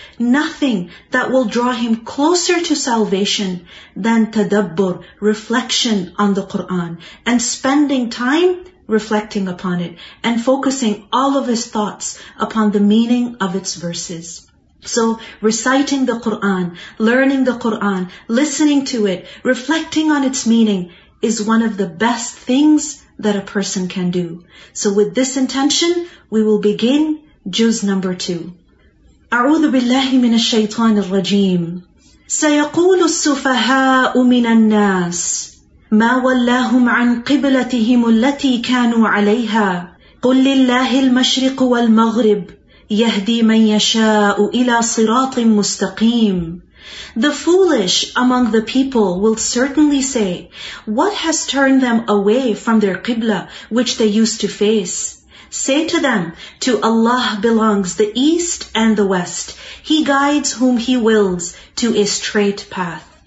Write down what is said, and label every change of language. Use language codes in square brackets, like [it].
[en] Nothing that will draw him closer to salvation than tadabbur, reflection on the Quran, and spending time reflecting upon it, and focusing all of his thoughts upon the meaning of its verses. So reciting the Quran, learning the Quran, listening to it, reflecting on its meaning is one of the best things that a person can do. So with this intention, we will begin juz number 2. [ar] أعوذ بالله من الشيطان الرجيم سيقول السفهاء من الناس ما ولاهم عن قبلتهم التي كانوا عليها قل لله المشرق والمغرب يهدي من يشاء إلى صراط مستقيم. [en] The foolish among the people will certainly say, what has turned them away from their qibla which they used to face? Say to them, to Allah belongs the east and the west. He guides whom He wills to a straight path.